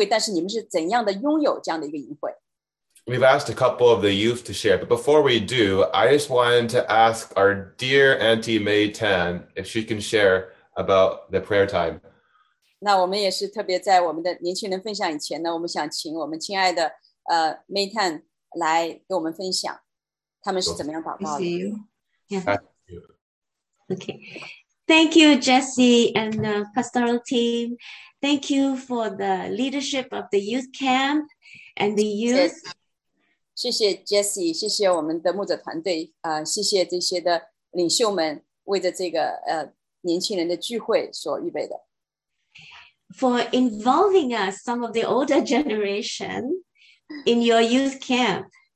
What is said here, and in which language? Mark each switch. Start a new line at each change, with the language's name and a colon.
Chinese: 我们就是特别的感恩我们在西安教会这些家人们，你们甚至没有来到这样的一个营会，但是你们是怎样的拥有这样的一个营会。
English: We've asked a couple of the youth to share, but before we do, I just wanted to ask our dear Auntie May Tan if she can share about the prayer time.
Chinese: 那我们也是特别在我们的年轻人分享以前呢，我们想请我们亲爱的Maytan来给我们分享，他们是怎么样祷告的。
English: Okay. Thank you, Jesse and the pastoral team. Thank you for the leadership of the youth camp and the youth.
Chinese: 谢谢Jesse，谢谢我们的牧者团队，谢谢这些的领袖们为着这个年轻人的聚会所预备的。
English: For involving us, some of the older generation, in your youth camp.